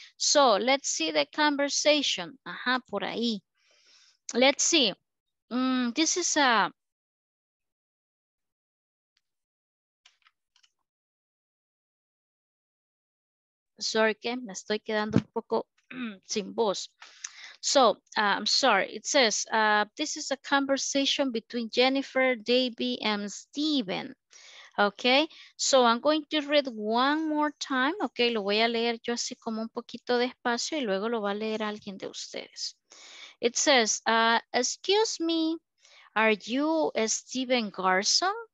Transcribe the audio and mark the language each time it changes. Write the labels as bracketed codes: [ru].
[en] So, let's see the conversation, [es] ajá, por ahí. [en] Let's see, this is a... [es] Sorry, que me estoy quedando un poco sin voz. [en] So, I'm sorry. It says, this is a conversation between Jennifer, Davey, and Steven. Okay, so I'm going to read one more time. [es] Okay, lo voy a leer yo así como un poquito despacio y luego lo va a leer alguien de ustedes. [en] It says, excuse me, are you Steven Garson?